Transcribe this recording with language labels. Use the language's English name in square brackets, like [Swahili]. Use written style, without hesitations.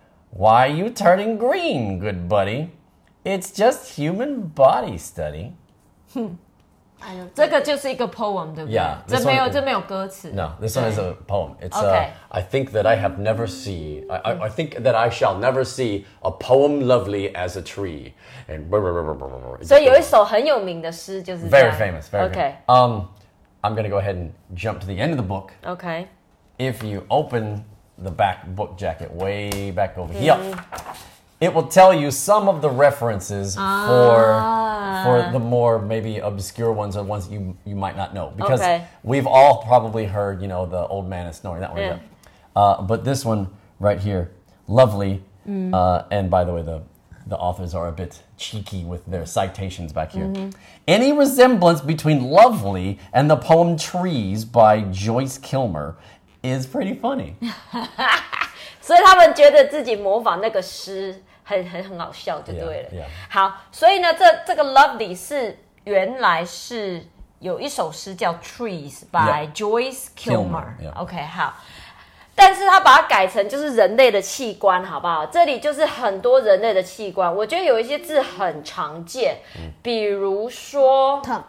[English] Why are you turning green, good buddy? It's just human body study. [Chinese] 这个就是一个 poem, 对不对 [English] yeah, [Chinese] 这, 没有这没有歌词 [English] No, this one is a poem. It's、okay. a, I think that I have never seen, I think that I shall never see a poem lovely as a tree. And [Chinese] 所以有一首很有名的诗就是这样 [English] Very famous, very okay. famous. I'm going to go ahead and jump to the end of the book. Okay. If you open the back book jacket way back over here,、mm-hmm. it will tell you some of the references、ah. For the more maybe obscure ones or ones you might not know. Because、okay. we've all probably heard, you know, the old man is snoring, that one.、Yeah. But this one right here, lovely.、Mm. And by the way, the authors are a bit cheeky with their citations back here.、Mm-hmm. Any resemblance between lovely and the poem Trees by Joyce Kilmer is pretty funny. [Chinese] 所以他们觉得自己模仿那个诗很好笑就对了 [English] yeah, yeah. [Chinese] 好所以呢 这个 Lovely 是原来是有一首诗叫 Trees by、yeah. [English] Joyce Kilmer、 yeah. [Chinese] OK 好但是他把它改成就是人类的器官好不好这里就是很多人类的器官我觉得有一些字很常见、嗯、比如说